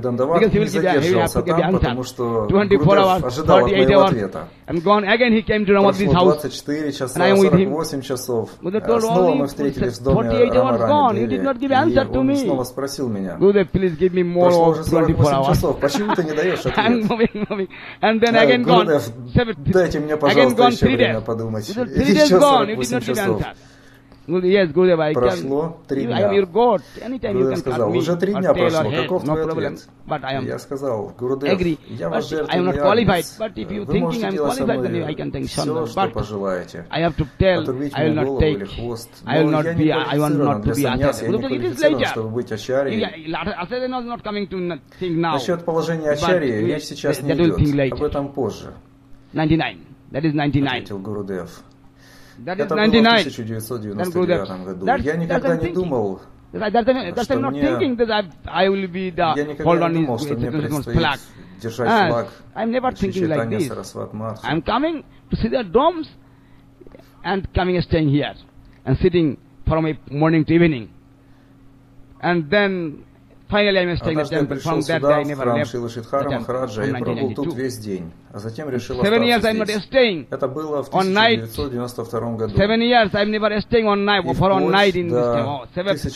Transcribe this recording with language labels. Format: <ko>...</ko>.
<en>Because he will give you, he will have to get the answer. 24 hours, 38 hours. And gone again, he came to Ramadhi's house. And I'm with him. Gurudev told all him, 48 hours gone. You did not give answer to me. Gurudev, please give me more 24 hours. I'm moving, moving. And then again Gurudev, gone.</en> <ru>Дайте мне, пожалуйста, еще время подумать. Еще 48 часов.</ru> <en>Yes, Gurudev, I</en> <ru>прошло три дня.</ru> <en>You, Gurudev</en> <ru>сказал, уже три дня прошло, каков твой ответ? Я сказал, Gurudev, я ваш жертвенный агнец. Вы можете делать со мной все, что пожелаете. Отрубить мне голову или хвост. Но я не квалифицирован для саньяс, я не квалифицирован, чтобы быть ачарьей. Насчет положения ачарьи речь сейчас не идет. Об этом позже. 99. Ответил Gurudev. Это было в 1999 году. Я никогда не думал, что мне... Я никогда не думал, что мне предстоит держать флаг Чайтанья Сарасват Марса.</ru> <en>I'm coming to see the domes and coming and staying here and sitting from a morning to evening. And then finally I'm staying at the temple. From that day, I never left.</en> <ru>Шрила Шридхара Махараджа и пробыл тут весь день. А затем решил остаться здесь. Это было в 1992 году.</ru> <en>7 years I'm never staying on night for on night in this</en>